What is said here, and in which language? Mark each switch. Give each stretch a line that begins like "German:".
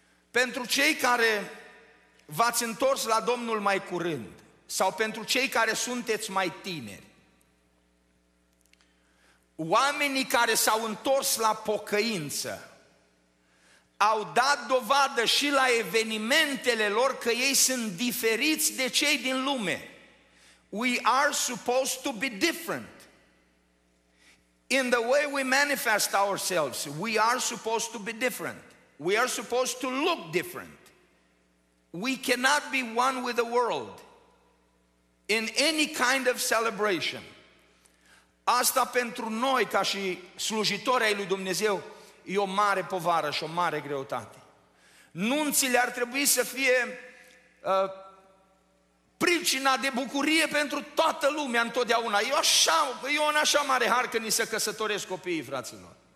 Romanian: Pentru cei care v-ați întors la Domnul mai curând, sau pentru cei care sunteți mai tineri, oamenii care s-au întors la pocăință au dat dovadă și la evenimentele lor că ei sunt diferiți de cei din lume.
English: We are supposed to be different in the way we manifest ourselves. We are supposed to be different. We are supposed to look different. We cannot be one with the world in any kind of celebration.
Romanian: Asta pentru noi, ca și slujitori ai lui Dumnezeu, e o mare povară și o mare greutate. Nunțile ar trebui să fie pricina de bucurie pentru toată lumea întotdeauna. E un așa mare har că ni se căsătoresc copiii, fraților.